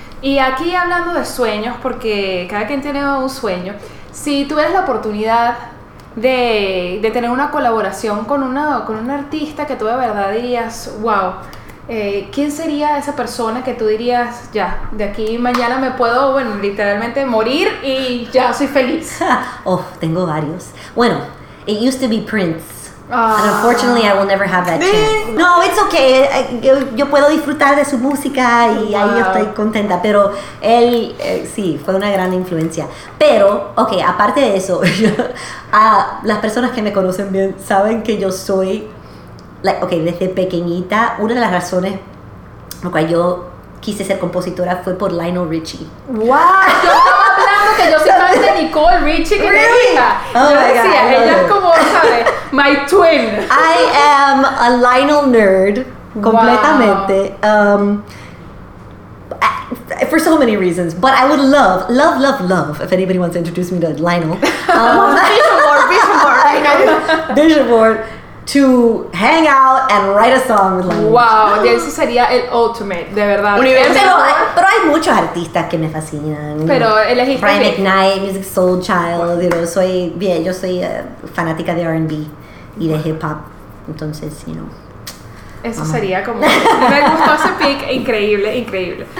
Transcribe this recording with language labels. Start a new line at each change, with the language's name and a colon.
Spanish: Y aquí hablando de sueños, porque cada quien tiene un sueño, si tuvieras la oportunidad de tener una colaboración con un artista que tú de verdad dirías, wow, ¿Quién sería esa persona que tú dirías, ya, de aquí mañana me puedo, bueno, literalmente morir y ya soy feliz? Oh, tengo varios. Bueno,
English: it used to be Prince. And unfortunately, I will never have that chance. No, it's okay.
Spanish: Yo puedo disfrutar de su música y wow, ahí yo estoy contenta. Pero él, sí, fue una gran influencia. Pero, okay, aparte de eso, las personas que me conocen bien saben que yo soy,
English: like, okay,
Spanish: desde pequeñita, una de las razones por la cual yo quise ser compositora fue por Lionel Richie. ¡Wow! Yo estaba hablando que yo soy fan de Nicole Richie, que
English: really?
Spanish: Es mi hija. Yo oh decía,
English: God,
Spanish: ella es como, ¿sabes?
English: My twin. I am a Lionel nerd,
Spanish: completamente. Wow.
English: For so many reasons, but I would love, love, love, love, if anybody wants to introduce me to Lionel. Vision board. To hang out and write a song with Lionel.
Spanish: Wow, y eso sería el ultimate, de verdad. Pero hay muchos artistas que me fascinan. Pero elegiste Brian McKnight, Music Soul Child,
English: you know,
Spanish: soy bien, yo soy fanática de R&B y de hip hop, entonces, you know. Eso sería como, me gustó ese pick, increíble, increíble.